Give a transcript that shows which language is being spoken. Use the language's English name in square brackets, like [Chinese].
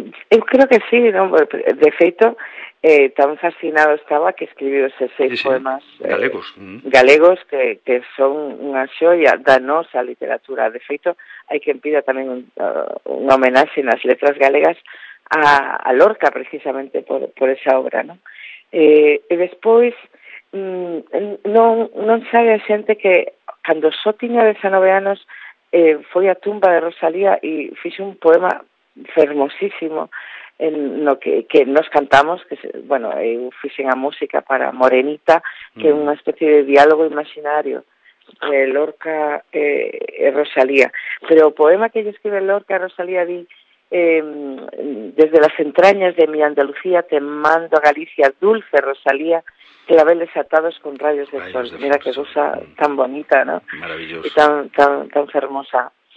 [Galician] Eu creo que sí, ¿no? De feito, tan fascinado estaba que escribiu eses seis poemas galegos. Galegos que son unha xoia da nosa literatura. De feito, hai quen pida tamén unha homenaxe nas letras galegas a Lorca precisamente por esa obra, ¿no? E despois non sabe a xente que cando só tiña 19 anos foi a tumba de Rosalía e fixe un poema fermosísimo en no que nos cantamos, que bueno, eu fixen a música para Morenita, que é unha especie de diálogo imaginario de Lorca e Rosalía. Pero o poema que lle escribe Lorca a Rosalía di: [Spanish] desde las entrañas de mi Andalucía te mando a Galicia, dulce Rosalía, claveles atados con rayos de sol. De mira qué cosa tan bonita, ¿no? Maravilloso. Y tan hermosa.